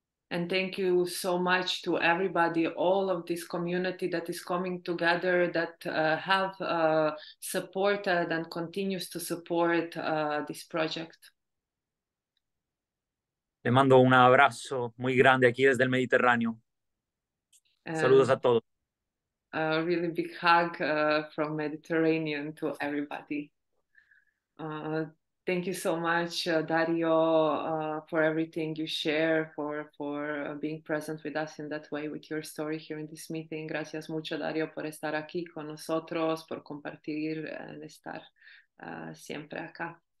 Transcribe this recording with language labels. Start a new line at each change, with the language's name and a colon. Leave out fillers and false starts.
English: And thank you so much to everybody, all of this community that is coming together, that have supported and continues to support this project.
Spanish: Le mando un abrazo muy grande aquí desde el Mediterráneo. Saludos a todos.
English: A really big hug from Mediterranean to everybody. Thank you so much, Dario, for everything you share, for being present with us in that way, with your story here in this meeting.
Spanish: Gracias mucho, Dario, por estar aquí con nosotros, por compartir, en estar siempre acá.